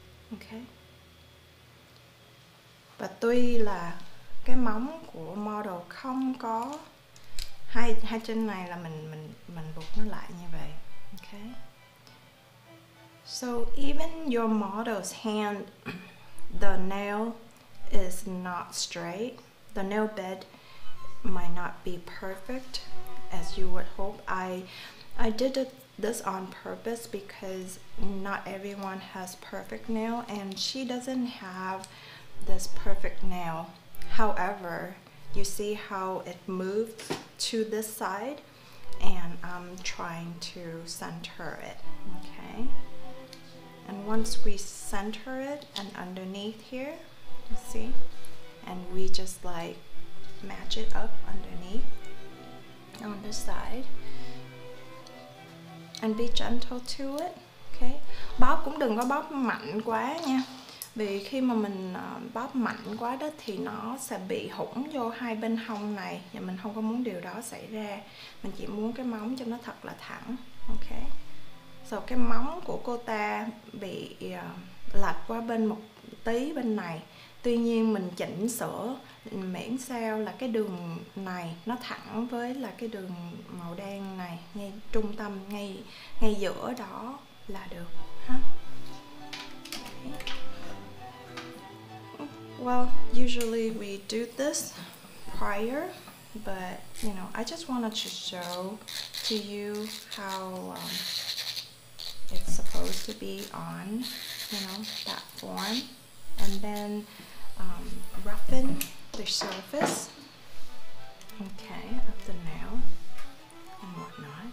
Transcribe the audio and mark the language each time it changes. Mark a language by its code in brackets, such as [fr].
[en] Okay. [vi] Và tuy là cái móng của model không có hai chân này, là mình buộc nó lại như vậy. [en] Okay. So even your model's hand, the nail is not straight. The nail bed might not be perfect as you would hope. I did this on purpose because not everyone has perfect nail, and she doesn't have this perfect nail. However, you see how it moved to this side, and I'm trying to center it, okay? And once we center it and underneath here, you see, and we just like match it up underneath on this side, and be gentle to it, okay? [vi] Bóp cũng đừng có bóp mạnh quá nha. Vì khi mà mình bóp mạnh quá đó thì nó sẽ bị hủng vô hai bên hông này, và mình không có muốn điều đó xảy ra. Mình chỉ muốn cái móng cho nó thật là thẳng. Ok. So cái móng của cô ta bị lệch qua bên một tí bên này. Tuy nhiên mình chỉnh sửa, miễn sao là cái đường này nó thẳng với là cái đường màu đen này, ngay trung tâm, ngay giữa đó là được ha. [en] Well, usually we do this prior, but you know, I just wanted to show to you how it's supposed to be on, you know, that form, and then roughen the surface, okay, of the nail and whatnot.